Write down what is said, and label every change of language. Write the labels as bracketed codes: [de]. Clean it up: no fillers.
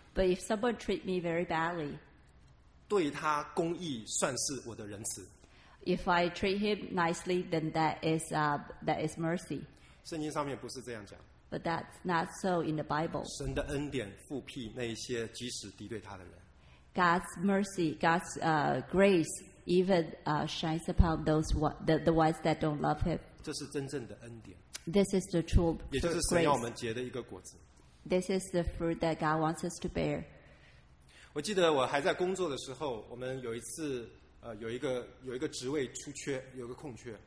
[en] But if someone treat me very badly, [zh] 对他公义算是我的仁慈。 [en] If I treat him nicely, then that is mercy. [zh] 圣经上面不是这样讲。 [en] But that's not so in the Bible. [zh] 神的恩典覆庇那些即使敌对他的人。 [en] God's mercy, God's grace. Even shines upon those the ones that don't love him. [zh] 这是真正的恩典。 [en] This is the true grace. [zh] 也就是神要我们结的一个果子。 [en] This is the fruit that God wants us to bear. [zh] 我记得我还在工作的时候，我们有一次有一个职位出缺，有个空缺。